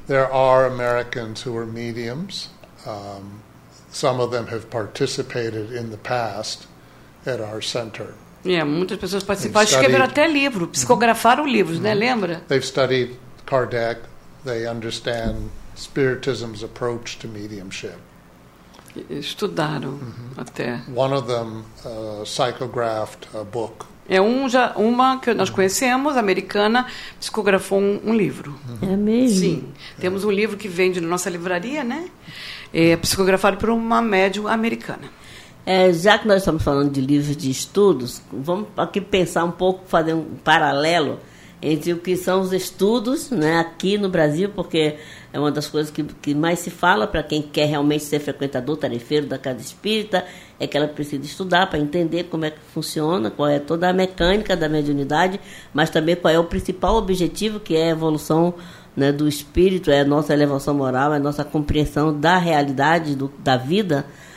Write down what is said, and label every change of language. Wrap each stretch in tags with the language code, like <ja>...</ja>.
<en>There are Americans who are mediums. Some of them have participated in the past at our center.</en> <pt>Yeah, muitas pessoas participaram, escreveram até livro, psicografaram livros, né, lembra?</pt> <en>They've studied Kardec. They understand Spiritism's approach to mediumship.</en> <pt>Estudaram até.</pt> <en>One of them psychographed a book.</en> <pt>É uma que nós conhecemos, americana, psicografou um livro. É mesmo? Sim. Temos um livro que vende na nossa livraria, né? É psicografado por uma médium americana. É, já que nós estamos falando de livros de estudos, vamos aqui pensar um pouco, fazer um paralelo entre o que são os estudos, né, aqui no Brasil, porque é uma das coisas que mais se fala para quem quer realmente ser frequentador, tarefeiro da Casa Espírita, é que ela precisa estudar para entender como é que funciona, qual é toda a mecânica da mediunidade, mas também qual é o principal objetivo, que é a evolução, né, do espírito, é a nossa elevação moral, é a nossa compreensão da realidade, da vida.</pt>